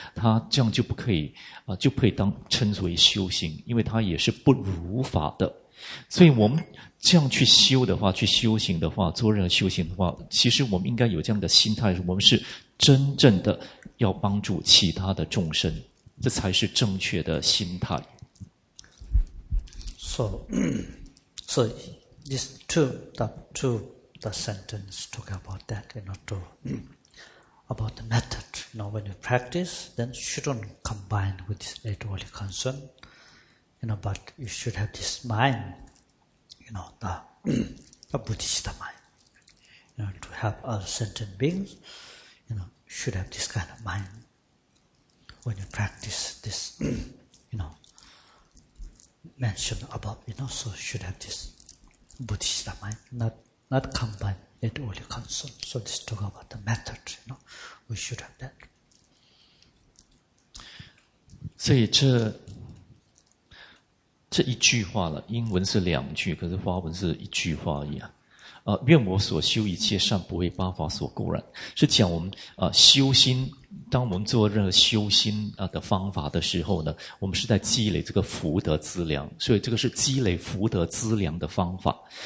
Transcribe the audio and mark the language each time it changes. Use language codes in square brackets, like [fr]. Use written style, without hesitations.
[zh] 他这样就不可以就可以当称为修行，因为他也是不如法的。所以我们这样去修的话，去修行的话，做任何修行的话，其实我们应该有这样的心态，我们是真正的要帮助其他的众生，这才是正确的心态。 [en] So these two sentence talk about that, you know, to about the method. You know, when you practice, then shouldn't combine with this eight worldly concern. You know, but you should have this mind, you know, the Buddhist mind, you know, to help other sentient beings, you know, should have this kind of mind when you practice this, you know, mentioned above, you know, so should have this Buddhist mind, not combine it only concern. So this talk about the method, you know, we should have that. [zh] 所以这一句话了，英文是两句，可是华文是一句话一样。愿我所修一切善，不为八法所垢染，是讲我们修心，当我们做任何修心的方法的时候呢，我们是在积累这个福德资粮，所以这个是积累福德资粮的方法。